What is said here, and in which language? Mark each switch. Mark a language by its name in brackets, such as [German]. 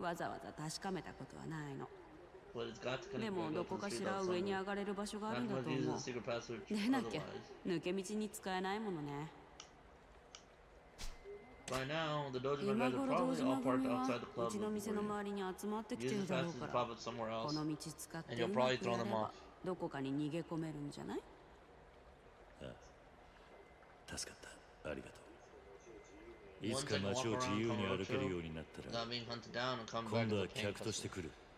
[Japanese] わざわざ確かめたことはないの。でもどこかしら上に上がれる場所があるんだと思う。でなきゃ抜け道に使えないものね。 [English] By now, the dojo members are probably all parked outside the club. [Japanese] うちの店の周りに集まってきてるだろうから。この道使ってうまくやればどこかに逃げ込めるんじゃない？助かった。ありがとう。いつか街を自由に歩けるようになったら、今度は客として来る。